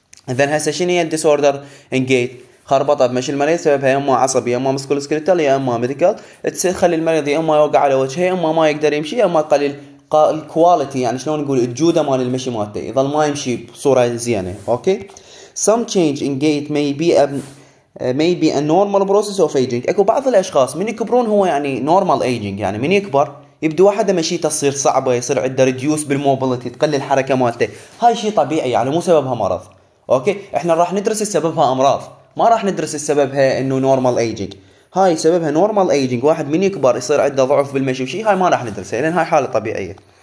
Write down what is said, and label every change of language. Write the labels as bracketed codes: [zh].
[ar] اذا هسه شنو هي الديسوردر ان جيت؟ خربطه بمشي المريض سببها يا اما عصبي يا اما مسكولوسكليتال يا اما ميديكال، تخلي المريض يا اما يوقع على وجهه يا اما ما يقدر يمشي يا اما تقلل الكواليتي، يعني شلون نقول الجوده مال المشي مالته، يظل ما يمشي بصوره زينه. [en] Okay some change in gait may be a normal process of aging. [ar] اكو بعض الاشخاص من يكبرون هو يعني normal aging، يعني من يكبر يبدو واحد مشي تصير صعبه، يصير عنده ريديوس بالموبيلتي، تقلل الحركه مالته، هاي شيء طبيعي يعني مو سببها مرض. اوكي احنا راح ندرس سببها امراض، ما راح ندرس سببها انه normal aging، هاي سببها نورمال ايجينج، واحد من يكبر يصير عنده ضعف بالمشي وشي، هاي ما راح ندرسها لان هاي حاله طبيعيه.